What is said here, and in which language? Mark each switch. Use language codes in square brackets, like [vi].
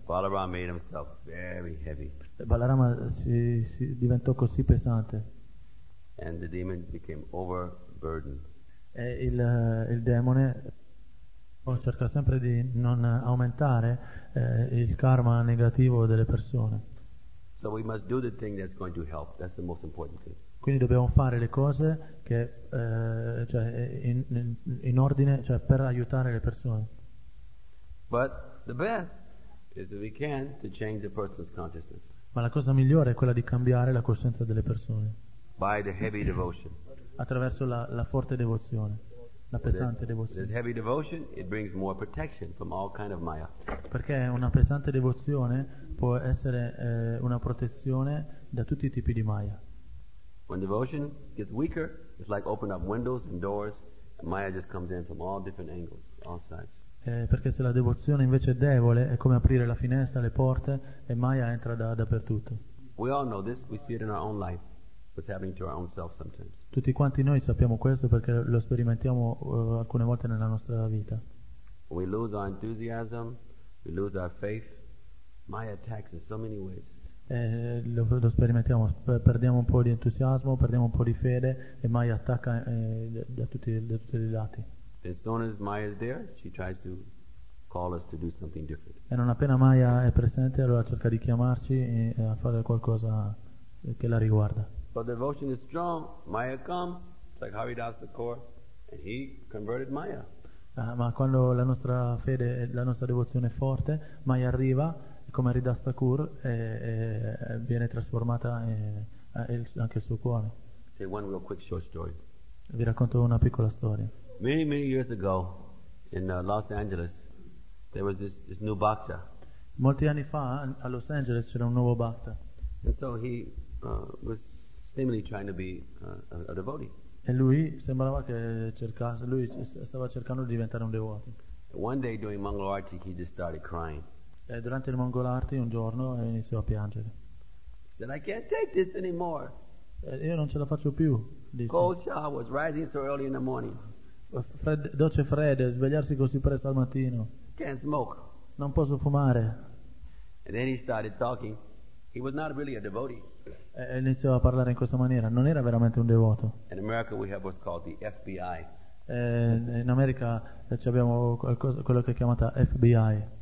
[en] Balaram made himself very heavy. [it] Balarama si diventò così pesante. [en] And the demon became overburdened. [it] E il demone cerca sempre di non aumentare il karma negativo delle persone. [en] So we must do the thing that's going to help. That's the most important thing. [it] Quindi dobbiamo fare le cose che cioè in ordine, cioè per aiutare le persone. [en] But the best is if we can to change the person's consciousness. [it] Ma la cosa migliore è quella di cambiare la coscienza delle persone. [en] By the heavy devotion. [it] Attraverso la forte devozione, la pesante devozione. [en] There's heavy devotion, it brings more protection from all kind of maya. [it] Perché una pesante devozione può essere una protezione da tutti i tipi di maya. [en] When devotion gets weaker, it's like open up windows and doors, and Maya just comes in from all different angles, all sides. [it] Perché se la devozione invece è debole, è come aprire la finestra, le porte, e Maya entra da dappertutto. [en] We all know this. We see it in our own life. What's happening to our own self sometimes. [it] Tutti quanti noi sappiamo questo perché lo sperimentiamo alcune volte nella nostra vita. [en] We lose our enthusiasm, we lose our faith. Maya attacks in so many ways. [it] Lo sperimentiamo, perdiamo un po' di entusiasmo, perdiamo un po' di fede, e Maya attacca da tutti i lati. [en] As soon as Maya is there, she tries to call us to do something different. [it] E non appena Maya è presente, allora cerca di chiamarci a fare qualcosa che la riguarda. [en] But devotion is strong. Maya comes, like Haridas Thakur, and he converted Maya. [it] Ma quando la nostra fede, la nostra devozione è forte, Maya arriva come Haridas Thakur e viene trasformata anche il suo cuore. [en] Okay, one real quick short story. [it] Vi racconto una piccola storia. [en] Many, many years ago in Los Angeles there was this new bhakta. [it] Molti anni fa a Los Angeles c'era un nuovo bhakta. [en] And so he was seemingly trying to be a devotee. [it] E lui sembrava che cercasse, lui stava cercando di diventare un devoto. [en] One day during Mangal Arati he just started crying. [it] E durante il Mangal Arati un giorno iniziò a piangere. [en] He said, "I can't take this anymore." [it] Io non ce la faccio più, disse. [en] Cold shower was rising so early in the morning. [it] Doce fredde, svegliarsi così presto al mattino. [en] Can't smoke. [it] Non posso fumare. [en] And then he started talking. He was not really a devotee. [it] E iniziò a parlare in questa maniera. Non era veramente un devoto. [en] In America we have what's called the FBI. [it] In America ci abbiamo qualcosa, quello che è chiamata FBI.